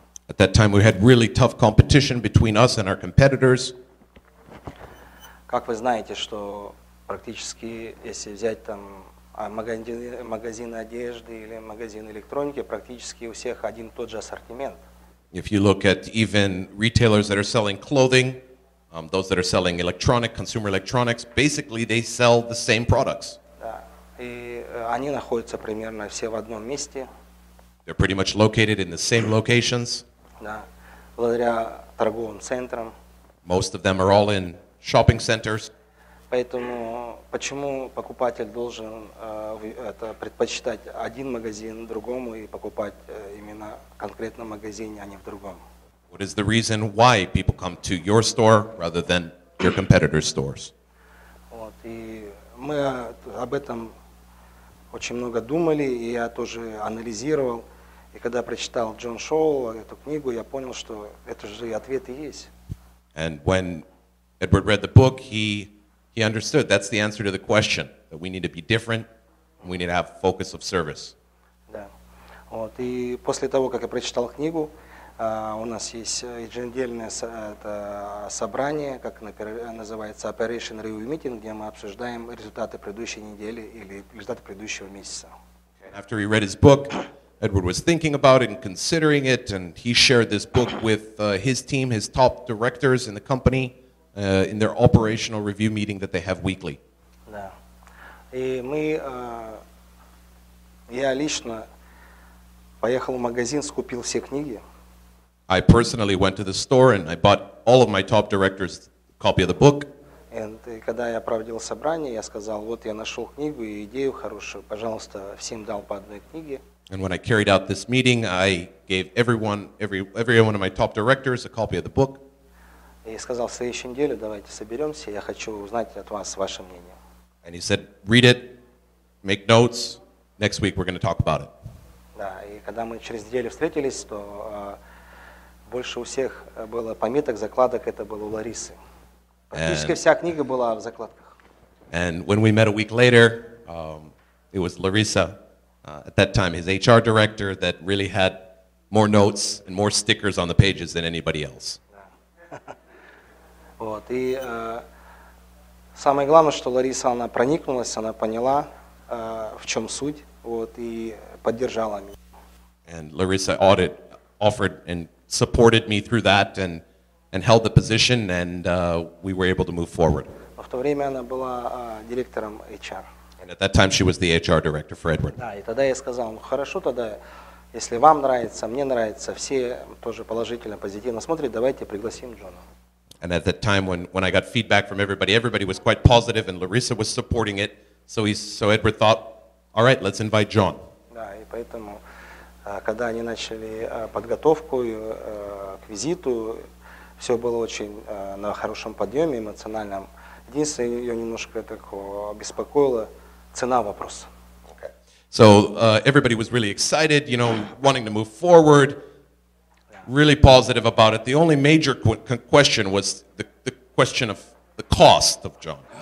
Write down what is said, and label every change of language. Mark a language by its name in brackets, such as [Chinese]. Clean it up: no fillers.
[English] At that time, we had really tough competition between us and our competitors. [Russian] Как вы знаете, что практически, если взять там магазины одежды или магазины электроники, практически у всех один тот же ассортимент. [English] If you look at even retailers that are selling clothing, those that are selling consumer electronics, basically they sell the same products. [Russian] Да, и они находятся примерно все в одном месте. [English] They're pretty much located in the same locations. [Russian] Да, благодаря торговым центрам. [English] Most of them are all in shopping centers. [Russian] Поэтому почему покупатель должен это предпочитать один магазин другому и покупать именно в конкретном магазине, а не в другом? [English] What is the reason why people come to your store rather than your competitors' stores? [Russian] Вот, и мы об этом очень много думали, и я тоже анализировал. И когда прочитал Джон Шоу эту книгу, я понял, что это же и ответ и есть. [English] And when Edward read the book, he understood that's the answer to the question, that we need to be different, and we need to have focus of service. [Russian] Да. Вот, и после того, как я прочитал книгу, у нас есть еженедельное собрание, как называется, Operation Review Meeting, где мы обсуждаем результаты предыдущей недели или результаты предыдущего месяца. [English] And after he read his book, Edward was thinking about it and considering it, and he shared this book with his team, his top directors in the company, in their operational review meeting that they have weekly. [Russian] Да. И мы, я лично поехал в магазин, скупил все книги. [English] I personally went to the store and I bought all of my top directors' copy of the book. [Russian] And когда я проводил собрание, я сказал, вот я нашел книгу и идею хорошую, пожалуйста, всем дал по одной книге. [English] And when I carried out this meeting, I gave everyone of my top directors a copy of the book. [Russian] И сказал, в следующую неделю давайте соберемся, я хочу узнать от вас ваше мнение. [English] And he said, read it, make notes, next week we're going to talk about it. [Russian] Да, и когда мы через неделю встретились, то больше у всех было пометок, закладок, это было у Ларисы. Практически вся книга была в закладках. [English] And when we met a week later, it was Larissa, at that time his HR director, that really had more notes and more stickers on the pages than anybody else. [Russian] Вот, и самое главное, что Лариса, она проникнулась, она поняла, в чем суть, вот, и поддержала меня. [English] And Larissa offered and supported me through that and held the position, and we were able to move forward. [Russian] В то время она была директором HR. [English] And at that time she was the HR director for Edward. [Russian] Да, и тогда я сказал, ну хорошо тогда, если вам нравится, мне нравится, все тоже положительно, позитивно смотрят, давайте пригласим Джона. [English] And at that time when I got feedback from everybody was quite positive and Larissa was supporting it, so Edward thought, all right, let's invite John. [Russian] Да, и поэтому когда они начали подготовку к визиту, все было очень на хорошем подъеме эмоциональном. Единственное, ее немножко такое беспокоило, цена вопроса. [English] Okay. So everybody was really excited, you know, wanting to move forward, really positive about it. The only major question was the question of the cost of John.